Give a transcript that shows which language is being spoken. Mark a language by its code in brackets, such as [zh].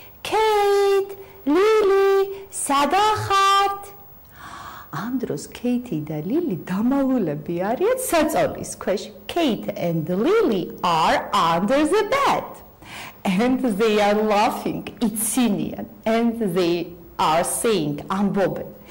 [ka] Kate, Lily, სადა ხართ? ამ დროს Kate და Lily დამალულები არიან საწოლის ქვეშ. [en] Kate and Lily are under the bed. And they are laughing. It's Indian. And they are saying, ამბობენ.